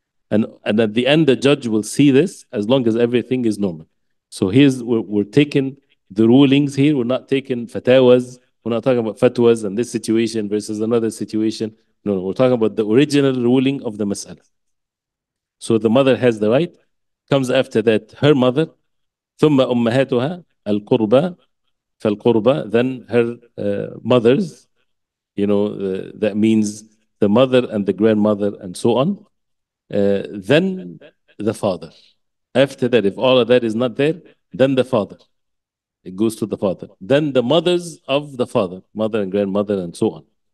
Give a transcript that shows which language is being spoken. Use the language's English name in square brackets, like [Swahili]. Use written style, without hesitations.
[English] And at the end, the judge will see this as long as everything is normal. So here's we're taking the rulings here. We're not taking fatwas. We're not talking about fatwas and this situation versus another situation. No, we're talking about the original ruling of the mas'ala. So the mother has the right. Comes after that, her mother. [Arabic] ثم أمهاتها القربى فالقربى. [English] Then her mothers, you know, that means the mother and the grandmother and so on. Then the father. After that, if all of that is not there, then the father. It goes to the father. Then the mothers of the father, mother and grandmother and so on.